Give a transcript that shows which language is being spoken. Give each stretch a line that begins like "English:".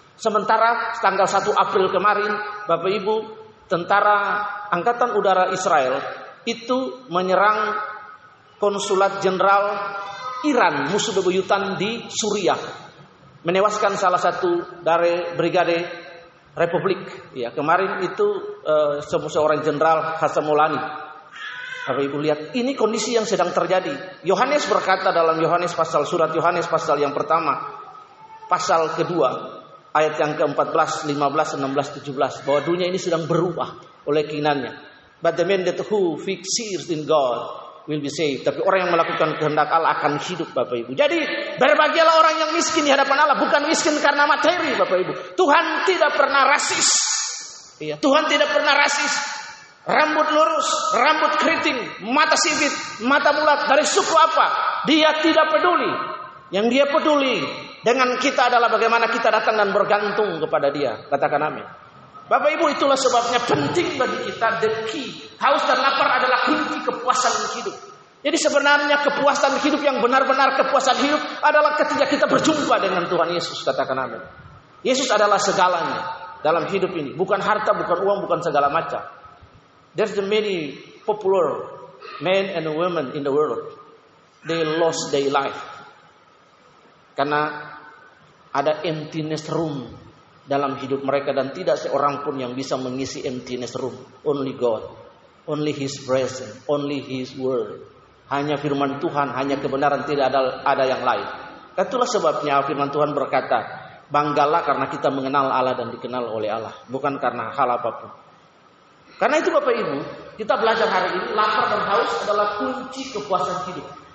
Indonesian: Sementara tanggal 1 April kemarin, Bapak Ibu, tentara Angkatan Udara Israel itu menyerang Konsulat Jenderal Iran, musuh bebuyutan di Suriah, menewaskan salah satu dari Brigade Republik. Ya, kemarin itu seorang jenderal Hasan Molani. Bapak Ibu lihat, ini kondisi yang sedang terjadi. Yohanes berkata dalam Yohanes pasal, surat Yohanes pasal yang pertama, pasal kedua, ayat yang ke-14, 15, 16, 17, bahwa dunia ini sedang berubah oleh keinginannya.
English: But the man that who fixes in God will be saved.
Indonesian: Tapi orang yang melakukan kehendak Allah akan hidup, Bapak Ibu. Jadi berbahagialah orang yang miskin di hadapan Allah, bukan miskin karena materi, Bapak Ibu. Tuhan tidak pernah rasis. Iya, Tuhan tidak pernah rasis. Rambut lurus, rambut keriting, mata sipit, mata mulat, dari suku apa, Dia tidak peduli. Yang Dia peduli dengan kita adalah bagaimana kita datang dan bergantung kepada Dia. Katakan amin. Bapak Ibu, itulah sebabnya penting bagi kita,
English: the key,
Indonesian: haus dan lapar adalah kunci kepuasan hidup. Jadi sebenarnya kepuasan hidup yang benar-benar kepuasan hidup adalah ketika kita berjumpa dengan Tuhan Yesus. Katakan amin. Yesus adalah segalanya dalam hidup ini. Bukan harta, bukan uang, bukan segala macam.
English: There's the many popular men and women in the world. They lost their life.
Indonesian: Karena ada emptiness room dalam hidup mereka, dan tidak seorang pun yang bisa mengisi emptiness room.
English: Only God, only His presence, only His word.
Indonesian: Hanya firman Tuhan, hanya kebenaran, tidak ada yang lain. Itulah sebabnya firman Tuhan berkata, banggalah karena kita mengenal Allah dan dikenal oleh Allah, bukan karena hal apapun. Karena itu Bapak Ibu, kita belajar hari ini, lapar dan haus adalah kunci kepuasan hidup.